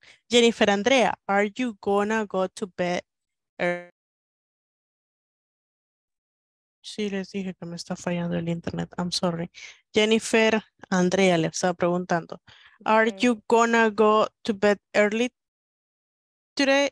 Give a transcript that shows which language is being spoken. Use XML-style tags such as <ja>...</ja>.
<en>Jennifer Andrea, are you gonna go to bed early?</en> <es>Sí, les dije que me está fallando el internet.</es> <en>I'm sorry.</en> <es>Jennifer, Andrea, le estaba preguntando. Okay.</es> <en>Are you gonna go to bed early today?</en>